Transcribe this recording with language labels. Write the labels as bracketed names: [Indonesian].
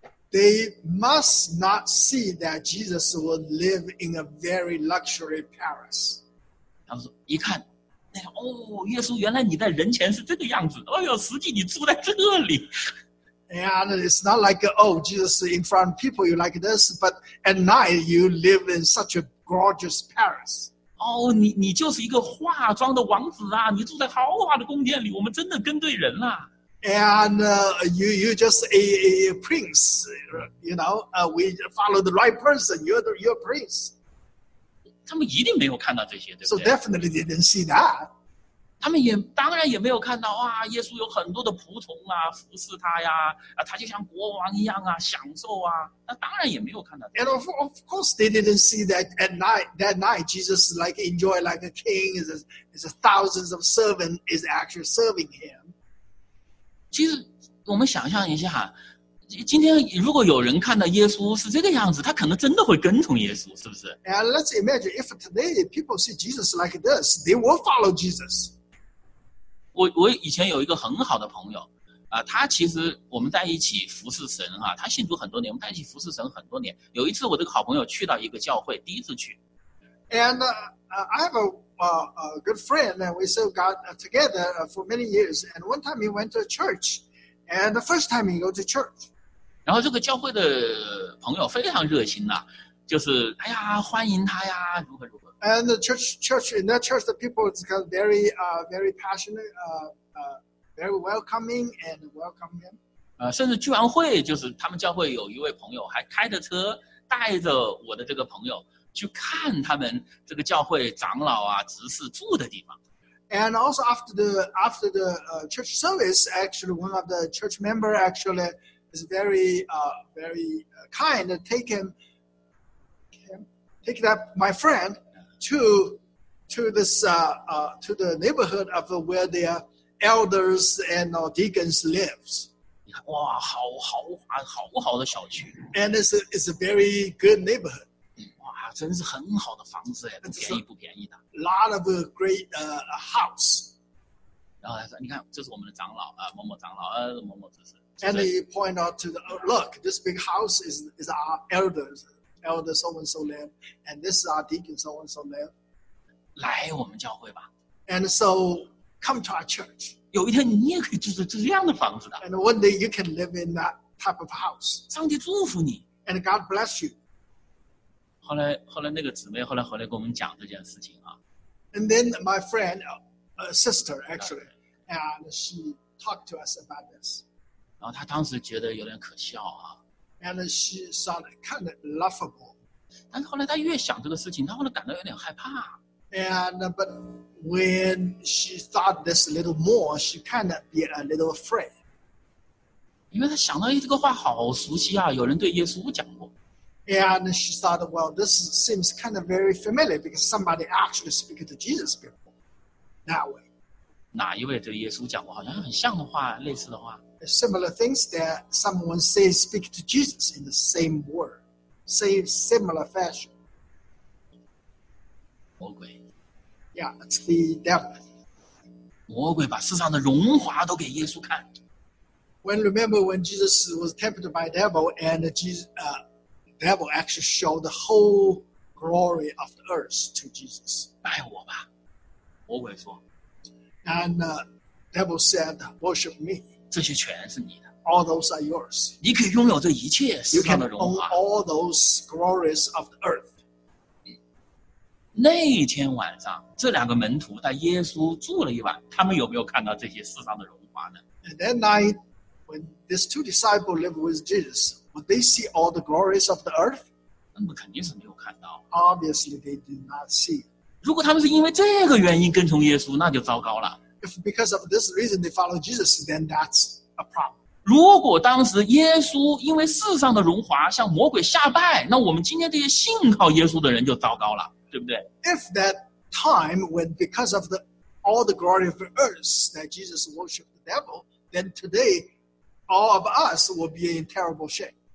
[English] They must not see that Jesus will live in a very luxury palace. [Chinese] 他们说一看，哎呀，哦，耶稣，原来你在人前是这个样子。哎呦，实际你住在这里。 [English] And it's not like, oh, Jesus in front of people you like this, but at night you live in such a gorgeous palace. [Chinese] 哦，你就是一个化妆的王子啊！你住在豪华的宫殿里，我们真的跟对人了。 [English] And you just a prince, you know? We follow the right person. You're a prince. [Chinese] 他们一定没有看到这些，对不对 [English] ？So definitely didn't see that. [Chinese] 他们也当然也没有看到哇，耶稣有很多的仆从啊，服侍他呀，啊，他就像国王一样啊，享受啊，那当然也没有看到。 [English] And of course, they didn't see that at night. That night, Jesus like enjoy like a king. Is thousands of servants is actually serving him. [Chinese] 其实我们想象一下，今天如果有人看到耶稣是这个样子，他可能真的会跟从耶稣，是不是 [English] ？And let's imagine if today people see Jesus like this, they will follow Jesus. [Chinese] 我以前有一个很好的朋友，啊，他其实我们在一起服侍神哈，他信主很多年，我们在一起服侍神很多年。有一次，我的好朋友去到一个教会，第一次去。 [English] And I have a good friend, and we still got together for many years. And one time he went to a church, and the first time he go to church. [Chinese] 然后这个教会的朋友非常热心呐，就是哎呀欢迎他呀，如何如何。 [English] And the church in that church, the people is kind of very, very passionate, very welcoming and welcoming. [Chinese] 甚至聚完会，就是他们教会有一位朋友还开着车带着我的这个朋友去看他们这个教会长老啊、执事住的地方。 [English] And also after the church service, actually one of the church member actually is very, very kind, take that my friend. To the neighborhood of where their elders and deacons lives. [Chinese] 哇，好豪华，好好的小区。 [English] And it's a very good neighborhood. [Chinese] 哇，真是很好的房子耶，不便宜不便宜的。 [English] Lot of a great house. [Chinese] 然后他说，你看，这是我们的长老啊，某某长老啊，某某执事。 [English] And he point out to the look, this big house is our elders. Elder so and so live, and this is our deacon so and so live. [Chinese] 来我们教会吧。 [English] And so come to our church. [Chinese] 有一天你也可以住在这样的房子的。 [English] And one day you can live in that type of house. [Chinese] 上帝祝福你。 [English] And God bless you. [Chinese] 后来那个姊妹后来回来跟我们讲这件事情啊。 [English] And then my friend, a sister actually, and she talked to us about this. [Chinese] 然后她当时觉得有点可笑啊。 [English] And she saw it kind of laughable. [Chinese] 但是后来她越想这个事情，她后来感到有点害怕。 [English] And but when she thought this a little more, she kind of be a little afraid. [Chinese] 因为她想到这个话好熟悉啊，有人对耶稣讲过。 [English] And she thought, well, this seems kind of very familiar because somebody actually speak to Jesus before that way. [Chinese] 哪一位对耶稣讲过好像很像的话，类似的话？ [English] Similar things that someone says speak to Jesus in the same word, say similar fashion. [Chinese] 魔鬼 [English] Yeah, it's the devil. [Chinese] 魔鬼把世上的荣华都给耶稣看。 [English] Remember when Jesus was tempted by the devil, and the devil actually showed the whole glory of the earth to Jesus. [Chinese] 拜我吧，魔鬼说。 [English] And devil said, worship me. [Chinese] 这些全是你的。 [English] All those are yours. [Chinese] 你可以拥有这一切世上的荣华。 [English] You can own all those glories of the earth. [Chinese] 那天晚上，这两个门徒带耶稣住了一晚，他们有没有看到这些世上的荣华呢 [English] ？And that night, when these two disciples lived with Jesus, would they see all the glories of the earth? [Chinese] 那么肯定是没有看到。 [English] Obviously, they did not see. [Chinese] 如果他们是因为这个原因跟从耶稣，那就糟糕了。 [English] If because of this reason they follow Jesus, then that's a problem. [Chinese] 如果当时耶稣因为世上的荣华向魔鬼下拜，那我们今天这些信靠耶稣的人就糟糕了，对不对 [English] ？If that time when because of all the glory of the earth that Jesus worshipped the devil, then today all of us will be in terrible shape.